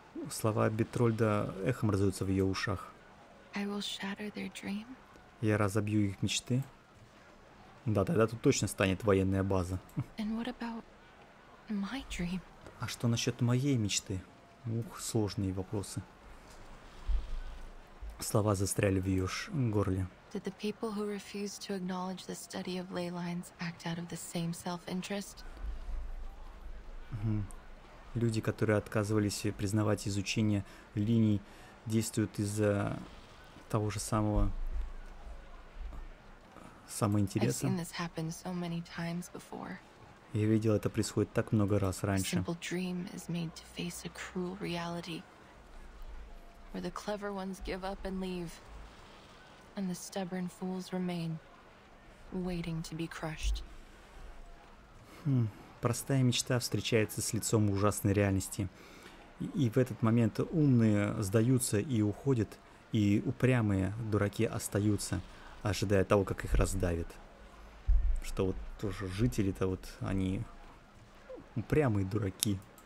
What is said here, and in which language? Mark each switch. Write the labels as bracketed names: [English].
[Russian] Слова Бетрольда эхом раздаются в ее ушах. Я разобью их мечты. Да, тогда тут точно станет военная база. А что насчет моей мечты? Ух, сложные вопросы. Слова застряли в ее горле. [English] Did the people who refused to acknowledge the study of ley lines act out of the same self-interest? [Russian] Люди, которые отказывались признавать изучение линий, действуют из-за того же самого самоинтереса. [English] I've seen this happen so many times before. [Russian] Я видел, это происходит так много раз раньше. [English] A simple dream is made to face a cruel reality, where the clever ones give up and leave. And the stubborn fools remain, waiting to be crushed. [Russian] Простая мечта встречается с лицом ужасной реальности. И в этот момент умные сдаются и уходят, и упрямые дураки остаются, ожидая того, как их раздавят. Что вот тоже жители-то вот, они упрямые дураки.